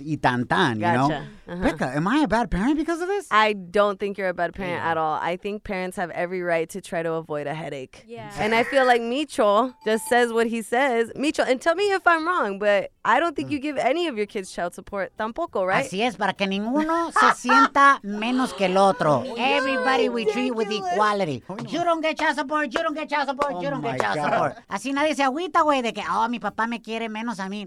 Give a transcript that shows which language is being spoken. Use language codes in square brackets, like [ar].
[es] Y tan tan, [en] you know? Becca, am I a bad parent because of this? I don't think you're a bad parent at all. I think parents have every right to try to avoid a headache. Yeah. And I feel like Micho just says what he says. Micho, and tell me if I'm wrong, but I don't think you give any of your kids child support tampoco, right? [es] Así es, para que ninguno se sienta menos que el otro. [en] Everybody we treat with equality. You don't get child support, you don't get child support, you don't get child support. [es] Así nadie se agüita, güey, de que, oh, mi papá me quiere menos a mí.